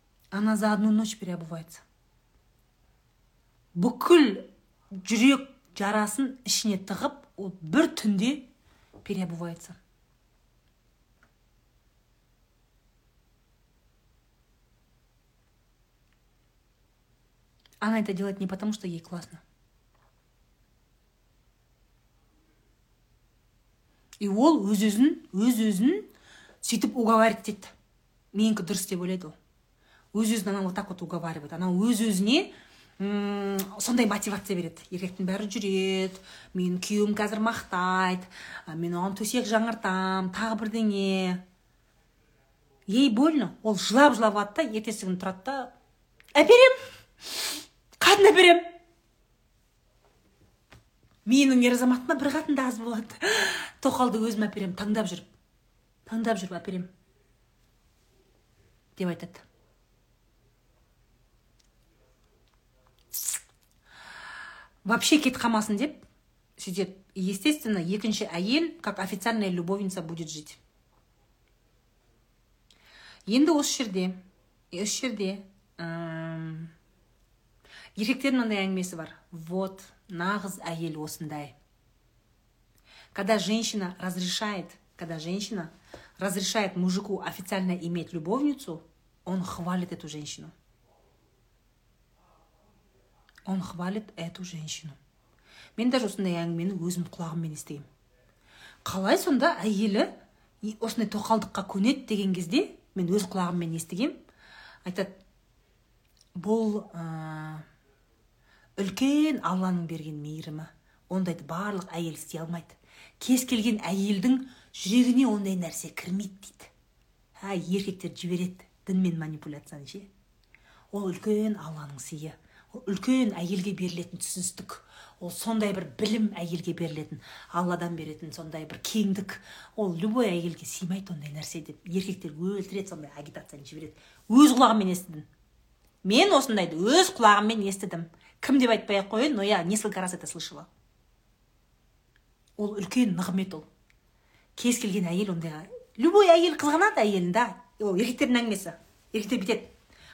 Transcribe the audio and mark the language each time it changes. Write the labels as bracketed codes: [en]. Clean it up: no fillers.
[ru] Она за одну ночь переобувается. [kk] Бүкіл жүрек жарасын ішіне тығып, ол бір түнде [ru] переобувается. Она это делает не потому, что ей классно. [kk] И ол өз-өзін сөйтіп [ru] уговаривает [kk] дейді. Менікі дұрыс деп ойлайды ол. Өз-өзін [ru] она вот так вот уговаривает. Она [kk] өз-өзіне сондай мотивация береді. Еркектің бәрі жүреді, мен күйім қазір мақтайды, мен оған төсек жаңыртам, тағы бірдеңе. Ей болды, ол жылап-жылап атты, ертесігін тұрады да, әперем, қатын әперем. Менің ер азаматыма бір қатын да аз болады. Тоқалды өзім әперем, таңдап жүріп әперем. Деп айтады. [ru] Вообще [kk] кет қамасын деп сөйтеп, [ru] естественно, [kk] екінші әйел [ru] как официальная любовница будет жить. [kk] Енді осы жерде еркектердің мынандай әңгімесі бар. [ru] Вот [kk] нағыз әйел осындай. [ru] Когда женщина разрешает мужику официально иметь любовницу, он хвалит эту женщину. Он хвалит эту женщину. [kk] Мен [ru] даже [kk] осындай әңгімені өзім құлағыммен естейм. Қалай сонда әйелі осындай тоқалдыққа көнеді деген кезде мен өз құлағыммен естігем. Айтады, бұл үлкен Алланың берген мейірімі. Ондайды барлық әйел істей алмайды. Кез келген әйелдің жүрегіне ондай нәрсе кірмейді дейді. Еркектер жібереді дінмен манипуляцияны ше. Ол үлкен Алланың сыйы. Ол үлкен әйелге берілетін түсіністік. Ол сондай бір білім әйелге берілетін, Алладан беретін сондай бір кеңдік. Ол [ru] любой [kk] әйелге сыймайды ондай нәрсе деп. Еркектер өлтіреді, сондай агитацияны жібереді. Өз құлағыммен естідім. Мен осындайды өз құлағыммен естідім. Кім деп айтпай-ақ қояйын, [ru] но я несколько раз это слышала. [kk] Ол үлкен нығмет ол. Кез келген әйел ондайға, [ru] любой [kk] әйел қызғанады әйелін, да? Ол еркектердің әңгімесі. Еркектер бітеді.